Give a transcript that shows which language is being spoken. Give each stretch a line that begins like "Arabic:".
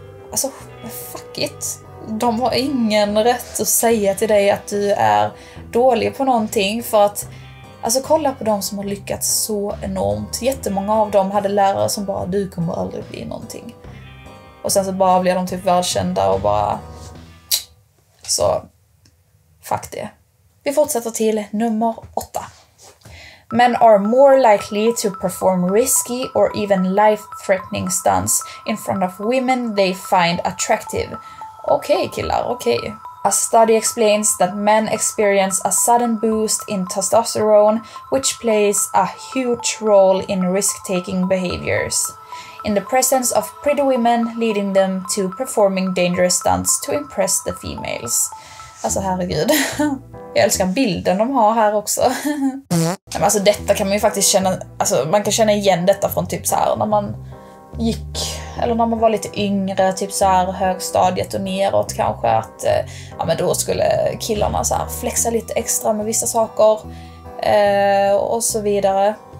Swedish: Alltså,
English: fuck it.
Swedish: De har ingen rätt att säga till dig att du är dålig på någonting, för att, alltså, kolla på dem som har lyckats så enormt. Jättemånga av dem hade lärare som bara, du kommer aldrig bli någonting. Och sen så bara blir de typ världskända och bara, så, fuck det. Vi fortsätter till nummer 8.
English: Men are more likely to perform risky or even life-threatening stunts in front of women they find attractive.
Swedish: Okej, killar, okej.
English: A study explains that men experience a sudden boost in testosterone, which plays a huge role in risk-taking behaviors. In the presence of pretty women, leading them to performing dangerous stunts to impress the females.
Swedish: Alltså, herregud. Jag älskar bilden de har här också. Mm. Alltså, detta kan man ju faktiskt känna, alltså, man kan känna igen detta från typ så här när man gick, eller när man var lite yngre, typ så här högstadiet och neråt kanske, att ja, men då skulle killarna så här flexa lite extra med vissa saker och så vidare.